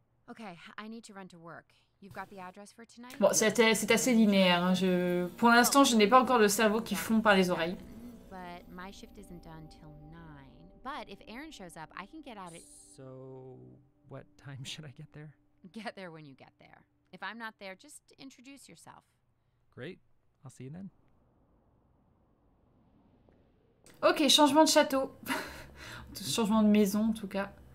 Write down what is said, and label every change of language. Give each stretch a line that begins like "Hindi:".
English: Okay, I need to run to work. You've got the address for tonight?
French: Bon, c'est assez linéaire. Hein. Pour l'instant, je n'ai pas encore le cerveau qui fond par les oreilles.
English: But my shift isn't done till 9. But if Aaron shows up, I can get out at... So, what time should I get there? Get there when you get there. If I'm not there, just introduce yourself. Great. I'll see you then.
French: OK, changement de château. Changement de maison en tout cas.